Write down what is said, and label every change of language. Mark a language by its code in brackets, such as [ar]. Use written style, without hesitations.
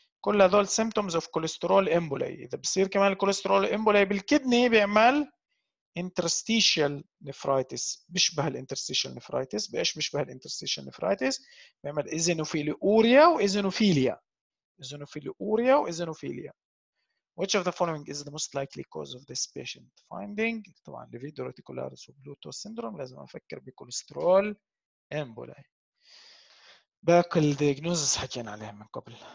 [ar] كل هذول سيمتومز اوف كوليسترول امبولاي. اذا بصير كمان الكوليسترول امبولاي بالكدني بيعمل انترستيشال نفرايتس، بيشبه الانترستيشال نفرايتس. بايش بيشبه الانترستيشال نفرايتس؟ بيعمل ايزينوفيلي اوريا وايزينوفيليا، ايزينوفيلي اوريا وايزينوفيليا. [en] Which of the following is the most likely cause of this patient finding? [ar] طبعا ليفيدو ريتيكولاريس وبلوتو سيندروم، لازم افكر بكوليسترول امبولاي. باقي الدياجنوزز حكينا عليها من قبل.